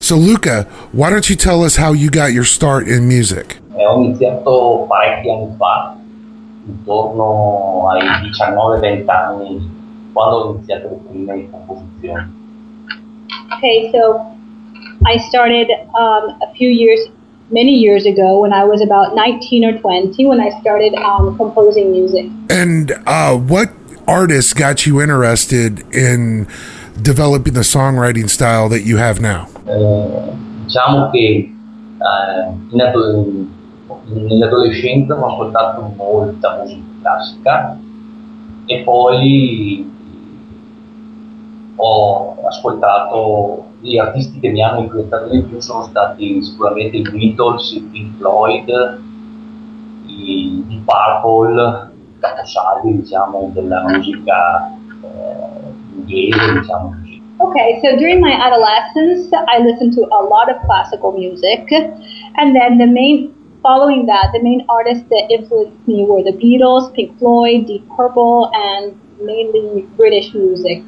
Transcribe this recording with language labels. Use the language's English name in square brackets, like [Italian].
[English] So Luca, why don't you tell us how you got your start in music? [Italian] Ho iniziato parecchi anni fa, intorno ai 19-20 anni, quando ho iniziato le prime composizioni. [English] Okay, so I started a few years, many years ago, when I was about 19 or 20, when I started composing music. And what artist got you interested in developing the songwriting style that you have now? [Italian] Diciamo che nell'adolescenza ho ascoltato molta musica classica e poi ho ascoltato gli artisti che mi hanno influenzato di più sono stati sicuramente i Beatles, i Pink Floyd, i Deep Purple, i caposaldi diciamo della musica inglese diciamo. [English] Okay, so during my adolescence, I listened to a lot of classical music, and then the main artists that influenced me were the Beatles, Pink Floyd, Deep Purple, and mainly British music.